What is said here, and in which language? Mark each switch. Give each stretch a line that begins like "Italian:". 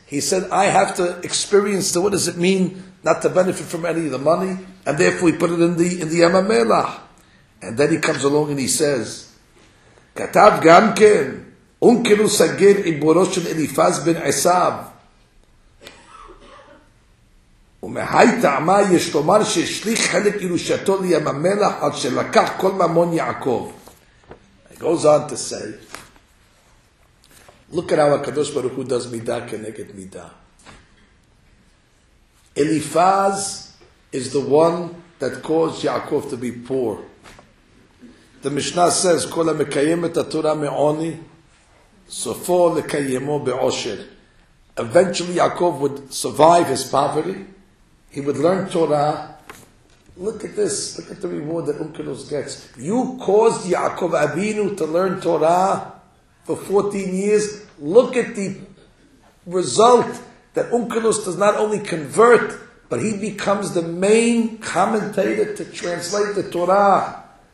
English: He said, I have to experience what does it mean not to benefit from any of the money. And therefore he put it in the Yam HaMelach. And then he comes along and he says,
Hebrew: Katav Gamken, Unkelu Sagir Iborosh Eliphaz Ben Esav. ומהי טעמה יש לומר שהשליך חלק ירושתו לים המלח עד שלקח כל ממון יעקב.
English: It goes on to say, look at how
Hebrew: הקדוש ברוך הוא
English: does
Hebrew: מידה כנגד מידה.
English: Eliphaz is the one that caused Yaakov to be poor. The Mishnah says,
Hebrew: כל המקיים את התורה מעוני, סופו לקיימו בעושר.
English: Eventually Yaakov would survive his poverty. He would learn Torah. Look at this. Look at the reward that Unkelos gets. You caused Yaakov Avinu to learn Torah for 14 years. Look at the result that Unkelos does not only convert, but he becomes the main commentator to translate the Torah.